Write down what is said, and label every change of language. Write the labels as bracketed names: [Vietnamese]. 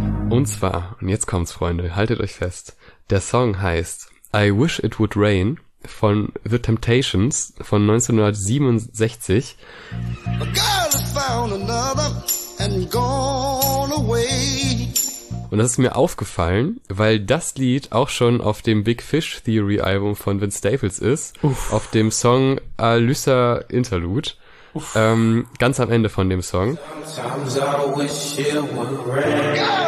[German] Und zwar, und jetzt kommt's, Freunde, haltet euch fest. Der Song heißt I Wish It Would Rain von The Temptations von 1967. [English] A girl has found another and gone away. [German] Und das ist mir aufgefallen, weil das Lied auch schon auf dem Big Fish Theory Album von Vince Staples ist, Uff. auf dem Song Alyssa Interlude, Uff. ganz am Ende von dem Song. [English] Sometimes I wish it would rain.